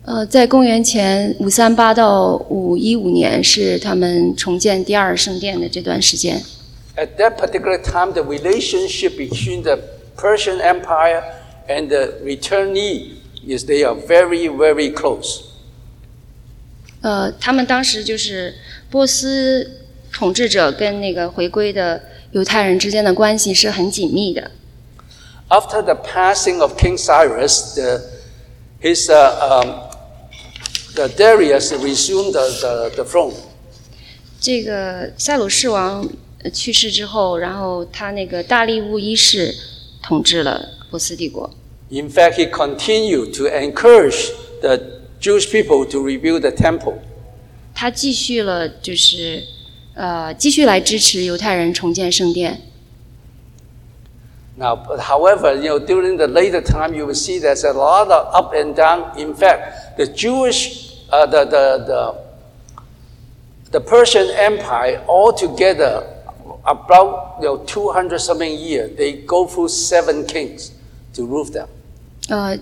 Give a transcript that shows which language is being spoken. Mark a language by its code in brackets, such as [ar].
[zh] 在公元前538到515年是他们重建第二圣殿的这段时间。 [en] At that particular time, the relationship between the Persian Empire and the returnee is they are very, very close. [zh] 他们当时就是波斯统治者跟那个回归的犹太人之间的关系是很紧密的。 [en] After the passing of King Cyrus, Darius resumed the throne. [zh] 这个塞鲁士王去世之后，然后他那个大力乌一世统治了波斯帝国。 [en] In fact, he continued to encourage the Jewish people to rebuild the temple. [zh] 他继续了，就是。继续来支持犹太人重建圣殿。 [en] Now, but however, you know, during the later time, you will see there's a lot of up and down. In fact, the Jewish, the Persian Empire altogether, about you know 200 something years, they go through 7 kings to rule them.